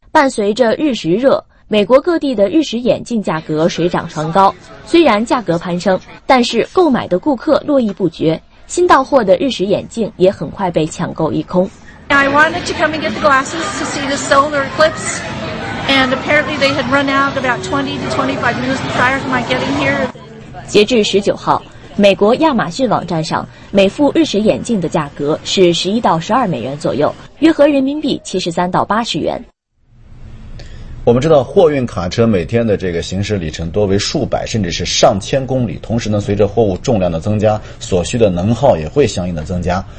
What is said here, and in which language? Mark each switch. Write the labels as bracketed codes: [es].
[zh] 伴随着日食热，美国各地的日食眼镜价格水涨船高。虽然价格攀升，但是购买的顾客络绎不绝，新到货的日食眼镜也很快被抢购一空。 [en] I wanted to come and get the glasses to see the solar eclipse, and apparently they had run out about 20 to 25 minutes prior to my getting here. [zh] 截至19号，美国亚马逊网站上每副日食眼镜的价格是11到12美元左右，约合人民币73到80元。我们知道货运卡车每天的这个行驶里程多为数百甚至是上千公里，同时呢，随着货物重量的增加，所需的能耗也会相应的增加。